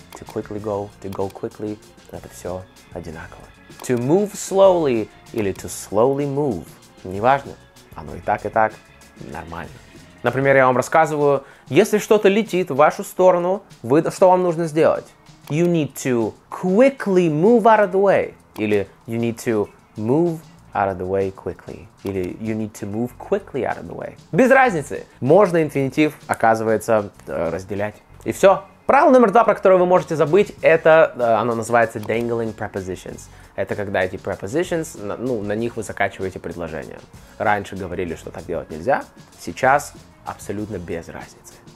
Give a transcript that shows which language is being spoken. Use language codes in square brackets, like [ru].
[en] To quickly go, to go quickly. [ru] Это все одинаково. [en] To move slowly или to slowly move. [ru] Неважно. Оно и так нормально. Например, я вам рассказываю, если что-то летит в вашу сторону, вы, что вам нужно сделать? [en] You need to quickly move out of the way. [ru] Или [en] you need to move out of the way quickly. [ru] Или [en] you need to move quickly out of the way. [ru] Без разницы. Можно инфинитив, оказывается, разделять. И все. Правило номер два, про которое вы можете забыть, это, оно называется dangling prepositions. Это когда эти prepositions, ну, на них вы закачиваете предложение. Раньше говорили, что так делать нельзя, сейчас абсолютно без разницы.